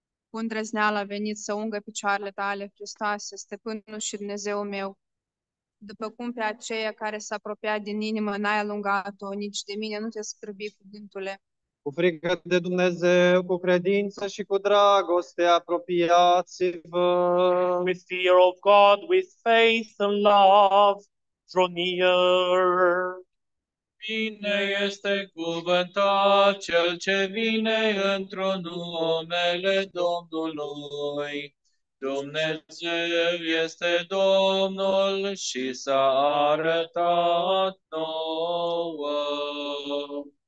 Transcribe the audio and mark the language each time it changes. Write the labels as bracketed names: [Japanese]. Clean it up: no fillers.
[Romanian] cu îndrăzneală a venit să ungă picioarele tale, Hristoase, Stăpânul și Dumnezeu meu, după cum pe aceea care s-a apropiat din inimă n-ai alungat-o nici de mine, nu te scârbi cuvântule. Cu frică de Dumnezeu, cu credință și cu dragoste, apropiați-vă. [English] With fear of God, with faith and love, draw near. [Romanian] Bine este cuvântat cel ce vine într-o numele Domnului. Dumnezeu este Domnul și s-a arătat nouă.